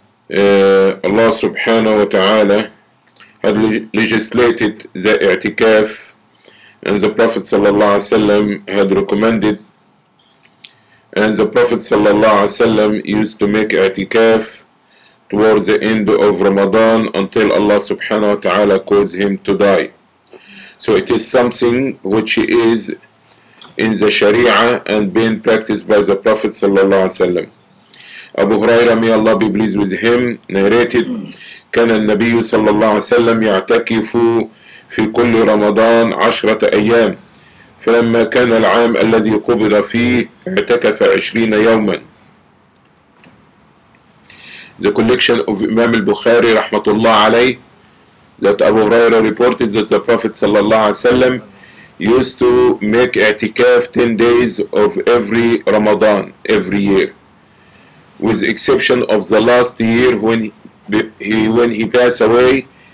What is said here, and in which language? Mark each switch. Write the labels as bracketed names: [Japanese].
[English] Allah subhanahu wa ta'ala had legislated the i'tikaf and the Prophet sallallahu alayhi wa sallam had recommended and the Prophet sallallahu alayhi wa sallam used to make i'tikaf towards the end of Ramadan until Allah subhanahu wa ta'ala caused him to die. So it is something which is in the Sharia and being practiced by the Prophet sallallahu alayhi wa sallam. Abu Huraira, may Allah be pleased with him, narrated, [Arabic] كان النبي صلى الله عليه وسلم يعتكف في كل رمضان عشرة أيام فلما كان العام الذي قبض فيه اعتكف 20 يوما. [English] The collection of Imam al-Bukhari رحمة الله عليه that Abu Huraira reported that the Prophet صلى الله عليه وسلم used to make اعتكاف 10 days of every Ramadan every year with exception of the last year when he passed away.